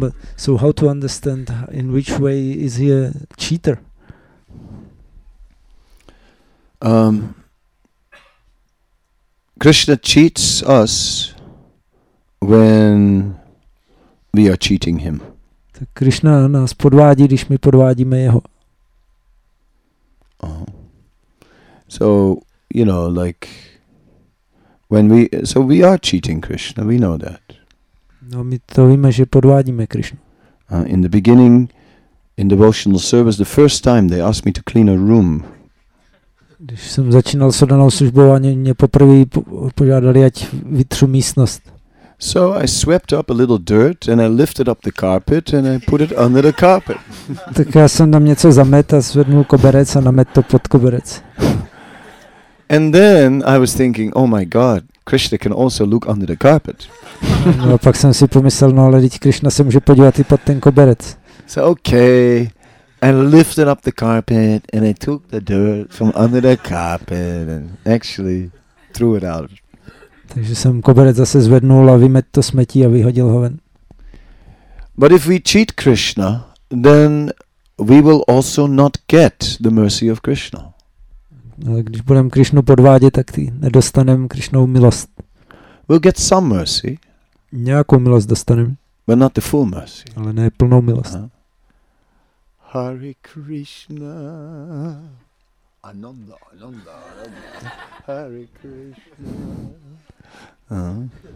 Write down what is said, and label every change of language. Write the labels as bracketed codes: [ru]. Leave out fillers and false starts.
[en] But so, how to understand in which way is he a cheater? Krishna cheats us when we are cheating him. [cs] Tak Krishna nás podvádí, když my podvádíme jeho. Oh. [en] So, you know, like when we we are cheating Krishna, we know that. [cs] No, my to víme, že podvádíme Krishnu. [en] In the beginning in devotional service, the first time they asked me to clean a room. [cs] Když jsem začínal s danou službou, oni mě poprvé požádali, ať vytřu místnost. [en] So I swept up a little dirt and I lifted up the carpet and I put it under the carpet. [cs] Tak já jsem tam něco zamet a zvednul koberec a namet to pod koberec. [en] And then I was thinking, oh my God, Krishna can also look under the carpet. [cs] No a pak jsem si pomyslel, no ale teď Krishna se může podívat i pod ten koberec. [en] So okay. I lifted up the carpet and I took the dirt from under the carpet and actually threw it out. [cs] Takže jsem koberec zase zvednul a vymet to smetí a vyhodil ho ven. [en] But if we cheat Krishna, then we will also not get the mercy of Krishna. [cs] Ale když budeme Krishnu podvádět, tak nedostaneme Krishnovu milost. [en] We'll get some mercy. [cs] Nějakou milost dostaneme. [en] But not the full mercy. [cs] Ale ne plnou milost. [sa] Hare Krishna, Ananda, Ananda, Hare Krishna.